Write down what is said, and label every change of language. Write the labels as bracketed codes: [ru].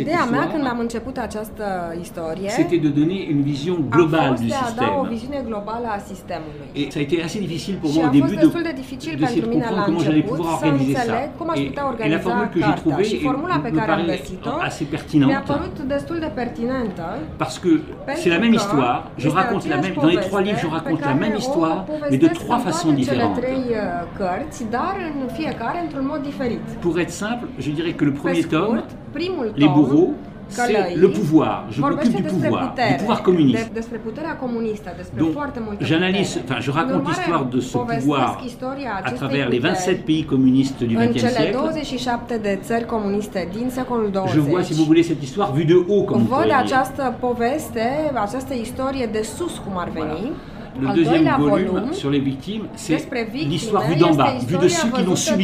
[ro] ideea mea când am început această istorie, [fr] c'était de donner une vision globale du système. [ro] A fost de a da o viziune globală a sistemului. [fr] Et ça a été assez difficile pour [ro] și [fr] moi au début de comprendre comment j'allais pouvoir organiser ça. [ro] Cum aș putea organiza [fr] et la formule que j'ai trouvée [ro] și formula pe care am găsit-o [fr] assez pertinente. [ro] Mi-a părut destul de pertinentă. [fr] Parce que c'est la même histoire, je raconte la même dans les trois livres je raconte la même histoire mais de trois façons différentes. [ro] Cele trei cărți, dar în fiecare într-un mod diferit. [fr] Pour être simple, je dirais que le premier [ro] scurt, [fr] tome, les bourreaux, c'est le pouvoir. Je m'occupe du pouvoir, [ro] putere, [fr] du pouvoir communiste. [ro] Despre puterea comunistă, despre [fr] donc, [ro] foarte multe [fr] j'analyse, enfin, je raconte l'histoire de ce pouvoir à travers les 27 pays communistes du XXe siècle. [ro] În cele 27 de țări comuniste din secolul 20. [fr] Je vois, si vous voulez, cette histoire vue de haut, comme vous voyez. [ro] Văd această poveste, această istorie de sus, cum ar veni. [fr] Voilà. Le deuxième volume sur les victimes, c'est l'histoire vue d'en bas, vue de ceux qui l'ont subi.